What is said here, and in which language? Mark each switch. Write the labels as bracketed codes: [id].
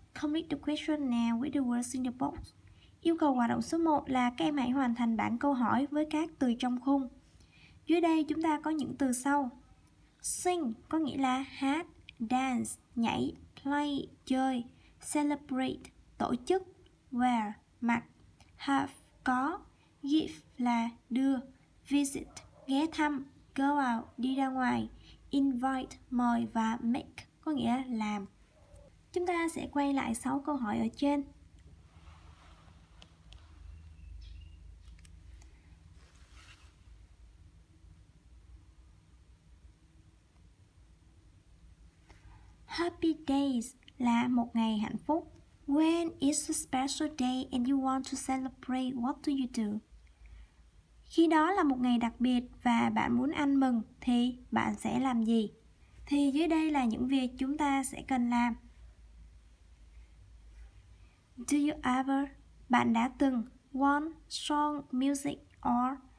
[en] Complete the question now with the words in the box. [vi] Yêu cầu hoạt động số 1 là các em hãy hoàn thành bảng câu hỏi với các từ trong khung. Dưới đây chúng ta có những từ sau. Sing có nghĩa là hát, dance, nhảy, play, chơi, celebrate, tổ chức, wear, mặc, have, có, give là đưa, visit, ghé thăm, go out, đi ra ngoài, invite, mời và make có nghĩa làm. Chúng ta sẽ quay lại 6 câu hỏi ở trên. Happy days là một ngày hạnh phúc. [en] When is a special day and you want to celebrate, what do you do? [vi] Khi đó là một ngày đặc biệt và bạn muốn ăn mừng thì bạn sẽ làm gì? Thì dưới đây là những việc chúng ta sẽ cần làm. [en] Do you ever? Bạn đã từng want song music or?